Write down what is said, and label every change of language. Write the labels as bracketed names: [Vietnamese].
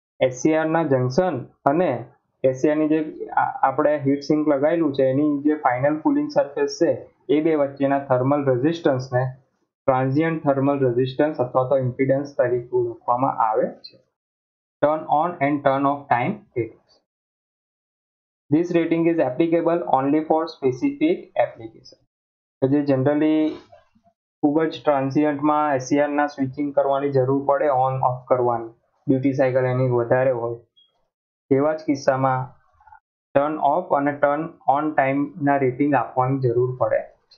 [Gujarati] SCR ના junction અને SCR ની જે આપણે હીટ સિંક લગાવેલું છે એની જે ફાઇનલ કુલિંગ સર્ફેસ છે એ બે વચ્ચેના થર્મલ રેઝિસ્ટન્સને ટ્રાન્ઝિયન્ટ થર્મલ રેઝિસ્ટન્સ અથવા તો ઇમ્પીડન્સ તરીકે ઓળખવામાં આવે છે. [English] Turn on and turn off time rating. This rating is applicable only for specific application. [Gujarati] તો જે જનરલી ખૂબ જ ટ્રાન્ઝિયન્ટમાં SCR ના સ્વિચિંગ કરવાની જરૂર પડે ઓન ઓફ કરવાની ડ્યુટી સાયકલ એની વધારે હોય તેવા જ કિસ્સામાં ટર્ન ઓફ અને ટર્ન ઓન ટાઈમના રેટિંગ આપવાની જરૂર પડે છે.